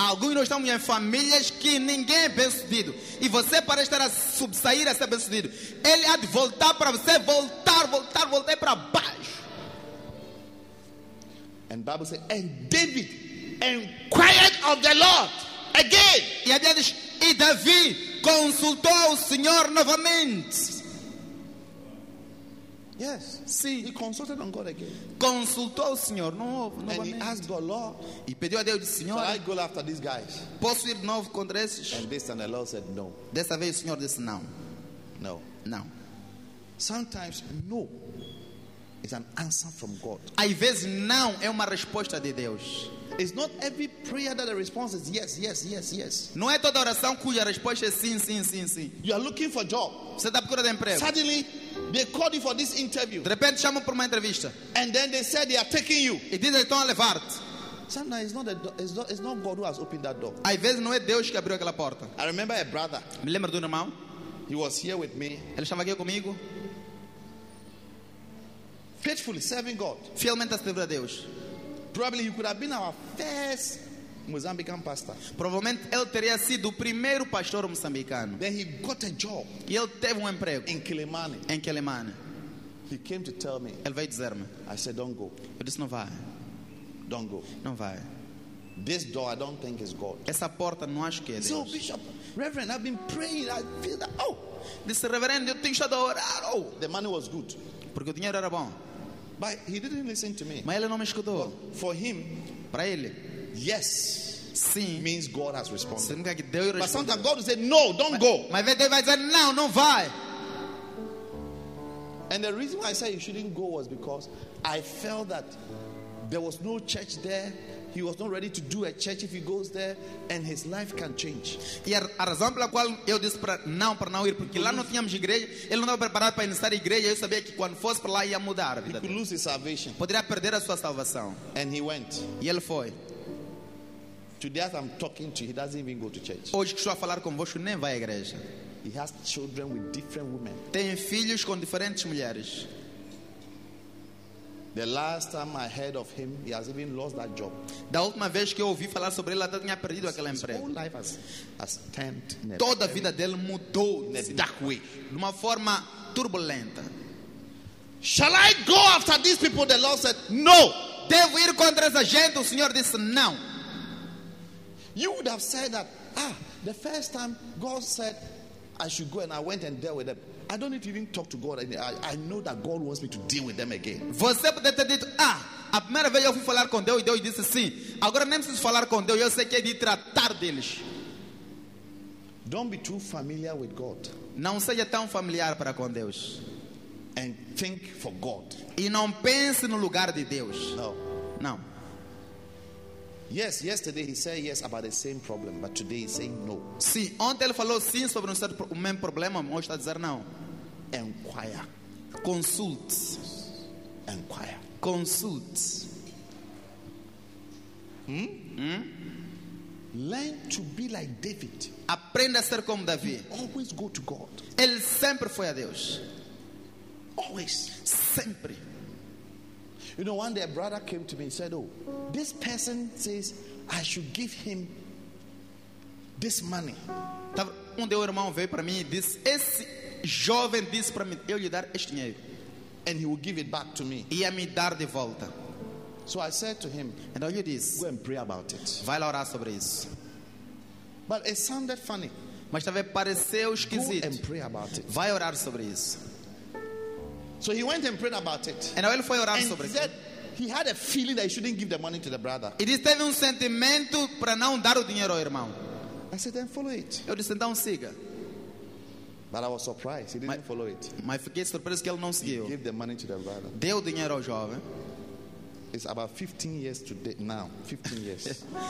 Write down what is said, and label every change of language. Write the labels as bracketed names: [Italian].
[Portuguese] Alguns nós estamos em famílias que ninguém é bem sucedido. E você parece estar a subsair a ser bem sucedido. Ele há de voltar para você, voltar para baixo. [English] And the Bible says, and David inquired of the Lord again. [Portuguese] E a Bíblia diz, e Davi consultou o Senhor novamente. [English] Yes. [Portuguese] Sim. [English] He consulted on God again. [Portuguese] Consultou o Senhor novamente. [English] And he asked the Lord. [Portuguese] E pediu a Deus, Senhor. [English] Shall I go after these guys? [Portuguese] Posso ir novo contra esses? [English] And this time the Lord said no. [Portuguese] Dessa vez o Senhor disse não. [English] No. [Portuguese] Não. [English] Sometimes no is an answer from God. [Portuguese] Às vezes não é uma resposta de Deus. [English] It's not every prayer that the response is yes. [Portuguese] Não é toda oração cuja resposta é sim. [English] You are looking for a job. [Portuguese] Você está procurando emprego. [English] Suddenly, they called you for this interview. [Portuguese] De repente chamam para uma entrevista. [English] And then they said they are taking you. [Portuguese] E dizem estão a levar. [English] Sometimes it's not God who has opened that door. [Portuguese] Às vezes não é Deus que abriu aquela porta. [English] I remember a brother. [Portuguese] Me lembro de um irmão. [English] He was here with me. [Portuguese] Ele estava aqui comigo. [English] Faithfully serving God. [Portuguese] Fielmente a servir a Deus. [English] Probably he could have been our first Mozambican pastor. [Portuguese] Provavelmente ele teria sido o primeiro pastor moçambicano. [English] Then he got a job. [Portuguese] E ele teve um emprego. [English] In Kilimani. [Portuguese] Em Kilimani. [English] He came to tell me. [Portuguese] Ele veio dizer-me. [English] I said, don't go. [Portuguese] Eu disse, não vai. [English] Don't go. [Portuguese] Não vai. [English] This door, I don't think is God. [Portuguese] Essa porta não acho que é Deus. [English] So, Bishop, Reverend, I've been praying. I feel that. Oh, [Portuguese] this Reverend, eu tenho estado a orar. Oh, [English] the money was good. [Portuguese] Porque o dinheiro era bom. [English] But he didn't listen to me. [Portuguese] Mas ele não me escutou. But [English] for him, [Portuguese] para ele, [English] yes, [Portuguese] sim, [English] means God has responded. [Portuguese] Significa que Deus respondeu. [English] But sometimes God will say, no, don't go. [Portuguese] Mas Deus vai dizer, não, não vai. [English] And the reason why I said you shouldn't go was because I felt that there was no church there. He was not ready to do a church if he goes there, and his life can change. [Portuguese] E a razão pela qual eu disse para não ir, porque lá não tínhamos igreja, ele não estava preparado para iniciar a igreja. Eu sabia que quando fosse para lá ia mudar a vida. [English] He could lose his salvation. [Portuguese] Poderia perder a sua salvação. [English] And he went. [Portuguese] E ele foi. [English] Today, as I'm talking to you, he doesn't even go to church. [Portuguese] Hoje que estou a falar convosco, nem vai à igreja. [English] He has children with different women. [Portuguese] Tem filhos com diferentes mulheres. [English] The last time I heard of him, he has even lost that job. [Portuguese] Da última vez que eu ouvi falar sobre ele, ele tinha perdido aquele emprego. [English] His whole life has turned. [Portuguese] Toda a vida dele mudou nesse [English] dark way, [Portuguese] de uma forma turbulenta. [English] Shall I go after these people? The Lord said, no. [Portuguese] Devo ir contra essa gente? O Senhor disse, não. [English] You would have said that, the first time God said I should go and I went and dealt with them. I don't need to even talk to God. I know that God wants me to deal with them again. [Portuguese] Você poderia ter dito, a primeira vez eu fui falar com Deus e Deus disse sim. Agora nem preciso falar com Deus, eu sei que é de tratar deles. [English] Don't be too familiar with God. [Portuguese] Não seja tão familiar para com Deus. [English] And think for God. [Portuguese] E não pense no lugar de Deus. Não. [English] Yes, yesterday he said yes about the same problem, but today he's saying no. [Portuguese] Sim, ontem ele falou sim sobre um certo mesmo problema, hoje está dizendo não. [English] Enquire. Consult. Enquire. Consult. Learn to be like David. [Portuguese] Aprenda a ser como Davi. [English] Always go to God. [Portuguese] Ele sempre foi a Deus. [English] Always. [Portuguese] Sempre. [English] You know, one day a brother came to me and said, this person says I should give him this money. [Portuguese] Um dia o irmão veio para mim e disse, esse jovem disse para mim, eu lhe dar este dinheiro. [English] And he will give it back to me. [Portuguese] Ia me dar de volta. [English] So I said to him, and all you did, go and pray about it. [Portuguese] Vai lá orar sobre isso. [English] But it sounded funny. [Portuguese] Mas talvez pareceu esquisito. [English] Go and pray about it. [Portuguese] Vai orar sobre isso. [English] So he went and prayed about it. [Portuguese] And ele foi orar sobre isso. [English] He had a feeling that he shouldn't give the money to the brother. [Portuguese] Ele teve sentimento para não dar o dinheiro ao irmão. [English] I said, then follow it. [Portuguese] Eu disse, então siga. [English] But I was surprised. He didn't follow it. [Portuguese] Mas fiquei surpreso que ele não seguiu. [English] He gave the money to the brother. [Portuguese] Deu o dinheiro ao jovem. [English] It's about 15 years today now. 15 years.